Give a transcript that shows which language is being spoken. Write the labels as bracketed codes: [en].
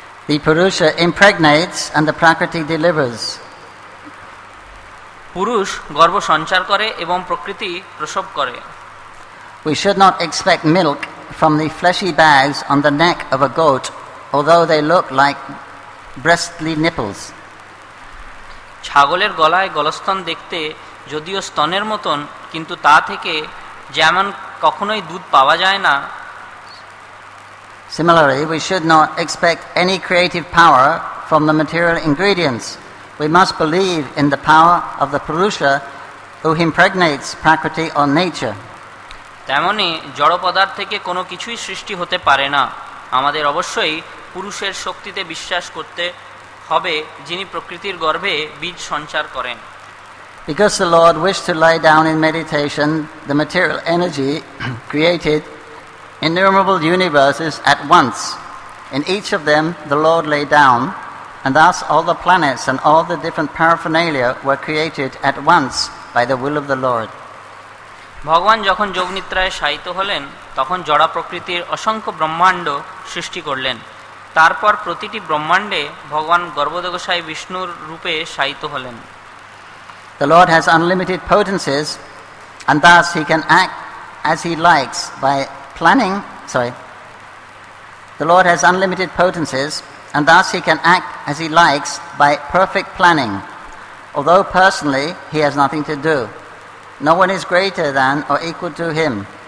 [en] The purusha impregnates and the prakriti delivers. [bn] পুরুষ গর্ভ সঞ্চার করে এবং প্রকৃতি প্রসব করে। [en] We should not expect milk from the fleshy bags on the neck of a goat, although they look like breastly nipples. [bn] ছাগলের গলায় গলস্তন দেখতে যদিও স্তনের মতন, কিন্তু তা থেকে যেমন কখনোই দুধ পাওয়া যায় না। [en] Similarly, we should not expect any creative power from the material ingredients. We must believe in the power of the Purusha who impregnates prakriti or nature. [bn] তেমনি জড় পদার্থ থেকে কোনো কিছুই সৃষ্টি হতে পারে না। আমাদের অবশ্যই পুরুষের শক্তিতে বিশ্বাস করতে হবে, যিনি প্রকৃতির গর্ভে বীজ সঞ্চার করেন। [en] Because the Lord wished to lie down in meditation, the material energy created innumerable universes at once. In each of them, the Lord lay down. And thus all the planets and all the different paraphernalia were created at once by the will of the Lord. [bn] ভগবান যখন যোগ নিদ্রায় শায়িত হলেন, তখন জড়া প্রকৃতির অসংখ্য ব্রহ্মাণ্ড সৃষ্টি করলেন। তারপর প্রতিটি ব্রহ্মাণ্ডে ভগবান গর্ভদেবশায়ী বিষ্ণুর রূপে শায়িত হলেন। [en] The Lord has unlimited potencies, and thus he can act as he likes by planning, The Lord has unlimited potencies, and thus he can act as he likes by perfect planning. although personally he has nothing to do. No one is greater than or equal to him.